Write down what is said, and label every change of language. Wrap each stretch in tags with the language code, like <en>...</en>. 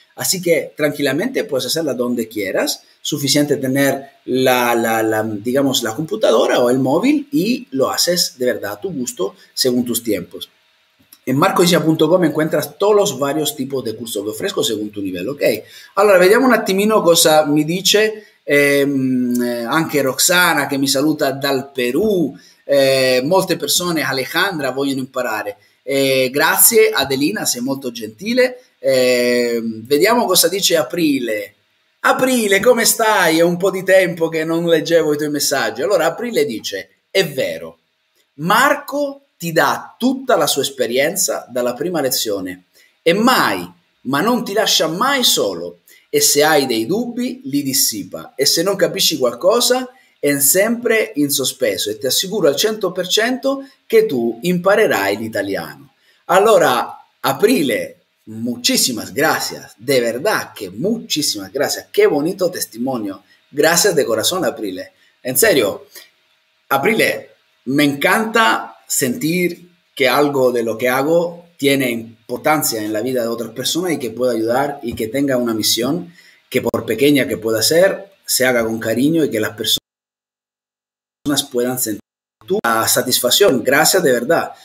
<es>Así que tranquilamente puedes hacerla donde quieras. Suficiente tener la computadora o el móvil y lo haces de verdad a tu gusto según tus tiempos. En marcoicia.com encuentras todos los varios tipos de cursos que ofrezco según tu nivel, ¿ok?</es> <it>Allora, vediamo un attimino cosa mi dice anche Roxana, che mi saluta dal Perù. Molte persone, Alejandra, vogliono imparare. Grazie, Adelina, sei molto gentile. Vediamo cosa dice Aprile. Aprile, come stai? È un po' di tempo che non leggevo i tuoi messaggi. Allora, Aprile dice, è vero, Marco ti dà tutta la sua esperienza dalla prima lezione e mai, ma non ti lascia mai solo e se hai dei dubbi li dissipa e se non capisci qualcosa è sempre in sospeso e ti assicuro al 100% che tu imparerai l'italiano.</it> <es>Allora, Aprile, muchísimas gracias, de verdad que muchísimas gracias, qué bonito testimonio, gracias de corazón, Aprile. En serio, Aprile, me encanta sentir que algo de lo que hago tiene importancia en la vida de otras personas y que pueda ayudar y que tenga una misión que por pequeña que pueda ser, se haga con cariño y que las personas puedan sentir tu satisfacción. Gracias de verdad.</es>